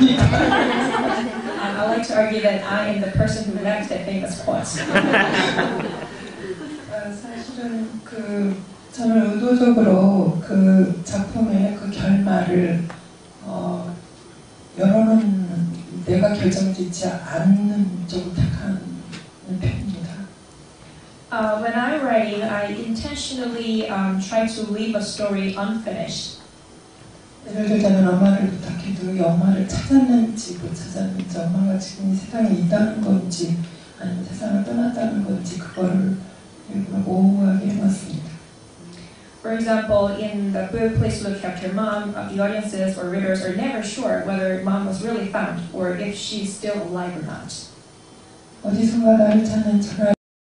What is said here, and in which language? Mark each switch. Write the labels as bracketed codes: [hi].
[en] I like to argue that I am the person who left that famous quote. [ko] 사실은 그 저는 의도적으로 그 작품의 그 결말을 여러분 내가 결정짓지 않는 쪽으로 택한 편입니다. [en] When I'm writing, I intentionally try to leave a story unfinished. [ko] 예를 들자면 엄마를 부탁해도 이 엄마를 찾았는지 못 찾았는지 엄마가 지금 이 세상에 있다는 건지 아니면 세상을 떠났다는 건지 그거를 오묘하게 해봤습니다. [en] For example, in the book Please Look After Mom, the audiences or readers are never sure whether mom was really found or if she's still alive or not. [ko] 어디선가 나를 찾는 전화를